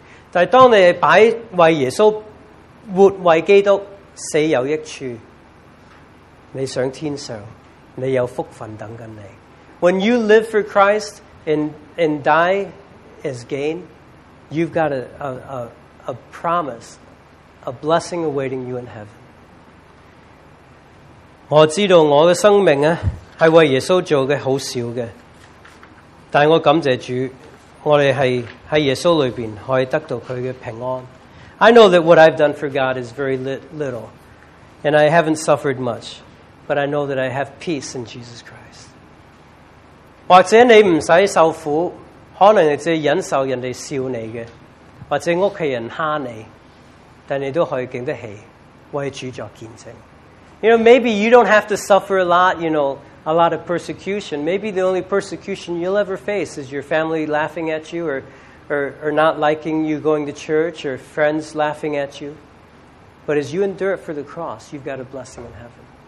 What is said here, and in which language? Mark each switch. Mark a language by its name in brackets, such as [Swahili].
[Chinese] 但是当你摆为耶稣活为基督死有益处，你上天上，你有福分等着你。 [English] When you live for Christ and die as gain, you've got a promise. A blessing awaiting you in heaven. [Chinese] 我知道我的生命是为耶稣做的很少的，但我感谢主，我们是在耶稣里面可以得到他的平安。 [English] I know that what I've done for God is very little, and I haven't suffered much, but I know that I have peace in Jesus Christ. [Chinese] 或者你不用受苦，可能你只是忍受人家笑你的，或者家里人欺你，但你都可以经得起为主作见证。 [English] You know, maybe you don't have to suffer a lot, you know, a lot of persecution. Maybe the only persecution you'll ever face is your family laughing at you or not liking you going to church or friends laughing at you. But as you endure it for the cross, you've got a blessing in heaven.